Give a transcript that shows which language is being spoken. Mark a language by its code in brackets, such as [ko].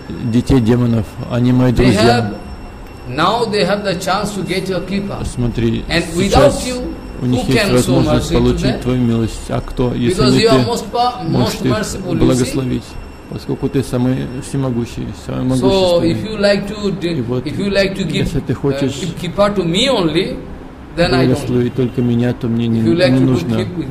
[ru] детей демонов, они мои друзья. [en] Now they have the chance to get your kripa. [ru] Смотри, [en] and without you, [ru] у них есть возможность получить твою милость. А кто, если не ты, можешь их благословить? Поскольку ты самый всемогущий, самый могущественный. И вот, если ты хочешь благословить только меня, то мне не нужно.